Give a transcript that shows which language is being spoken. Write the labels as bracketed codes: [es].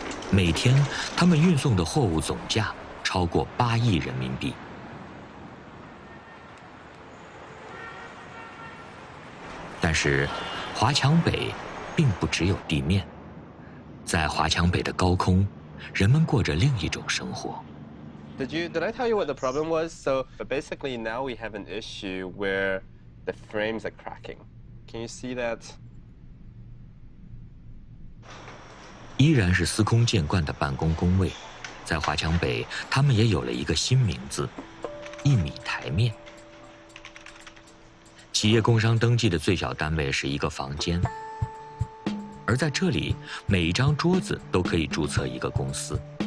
[zh] 每天，他们运送的货物总价超过8亿人民币。但是华强北并不只有地面，在华强北的高空，人们过着另一种生活。 [en] Did I tell you what the problem was? So basically now we have an issue where the frames are cracking. Can you see that? [zh] 依然是司空见惯的办公工位，在华强北，他们也有了一个新名字——一米台面。企业工商登记的最小单位是一个房间，而在这里，每一张桌子都可以注册一个公司。